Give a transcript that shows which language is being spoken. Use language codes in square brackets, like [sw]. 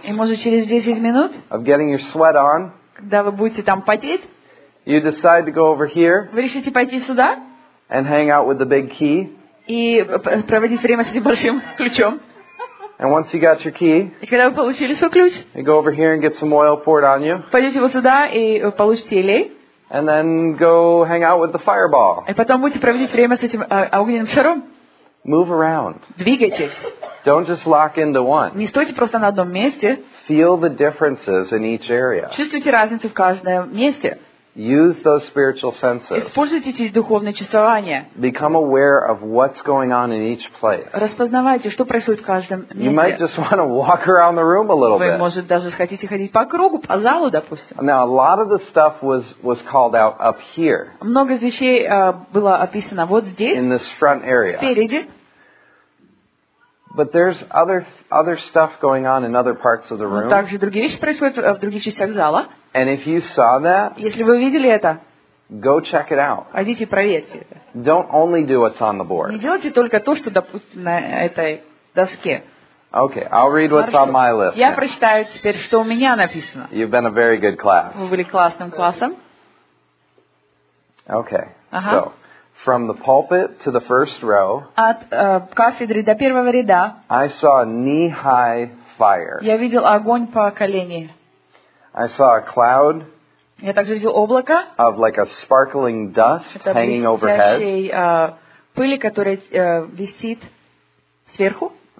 [ru] И может через 10 минут. [en] Of getting your sweat on. [ru] Когда вы будете там потеть. [en] You decide to go over here. [ru] Вы решите пойти сюда. [en] And hang out with the big key. [ru] И проводить время с этим большим ключом. [en] And once you got your key, [ru] и когда вы получили свой ключ, [en] you go over here and get some oil poured on you. [ru] Пойдете вот сюда и получите елей. [en] And then go hang out with the fireball. [ru] И потом будете проводить время с этим огненным шаром. [en] Move around. [ru] Двигайтесь. [en] Don't just lock into one. [ru] Не стойте просто на одном месте. [en] Feel the differences in each area. [ru] Чувствуйте разницу в каждом месте. [en] Use those spiritual senses. [ru] Используйте эти духовные чувствования. [en] Become aware of what's going on in each place. [ru] Распознавайте, что происходит в каждом месте. [en] You might just want to walk around the room a little bit. [ru] Вы, может, даже хотите ходить по кругу, по залу, допустим. [en] Now, a lot of the stuff was called out up here. [ru] Много вещей было описано вот здесь. [en] In this front area. [ru] Впереди. [en] But there's other stuff going on in other parts of the room. [ru] Также другие вещи происходят в других частях зала. [en] And if you saw that, [ru] если вы видели это, [en] go check it out. [ru] Пойдите проверьте это. [en] Don't only do what's on the board. [ru] Не делайте только то, что допустим на этой доске. [en] Okay, I'll read what's on my list. [ru] Я прочитаю теперь, что у меня написано. [en] You've been a very good class. [ru] Вы были классным классом. [en] Okay. So, from the pulpit to the first row. [ru] От кафедры до первого ряда. [en] I saw a knee-high fire. [ru] Я видел огонь по колени. [en] I saw a cloud. [ru] Я также видел облако. [en] Of like a sparkling dust hanging overhead. [ru] Это блестящей пыли, которая висит сверху.